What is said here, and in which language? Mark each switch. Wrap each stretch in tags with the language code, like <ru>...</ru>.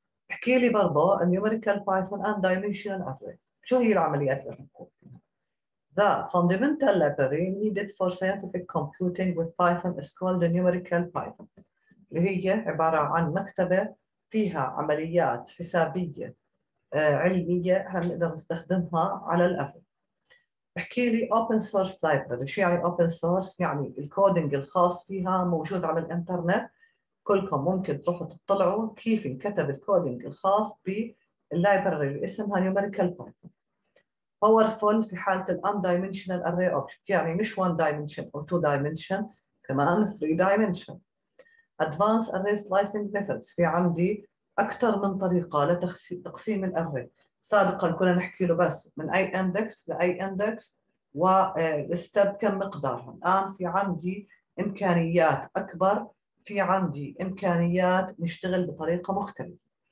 <ar>احكي لي برضه numerical python and dimensional array، شو هي العمليات اللي بنقوم فيها؟</ar> <en>The fundamental library needed for scientific computing with python is called the numerical python،</en> <ar>اللي هي عبارة عن مكتبة فيها عمليات حسابية علمية هنقدر نستخدمها على الأبل. احكي لي open source library، شو يعني open source؟ يعني الكودينج الخاص فيها موجود على الانترنت، كلكم ممكن تروحوا تطلعوا كيف انكتب الكودينج الخاص باللايبراري اللي اسمها numerical python. powerful في حالة الـ undimensional array object، يعني مش one dimension أو two dimension، كمان three dimension.</ar> <en>advanced array slicing methods،</en> <ar>في عندي أكثر من طريقة لتقسيم الـ array. سابقا كنا نحكي له بس من أي index لأي index والستب كم مقدارها، الآن في عندي إمكانيات أكبر، في عندي إمكانيات نشتغل بطريقة مختلفة.</ar>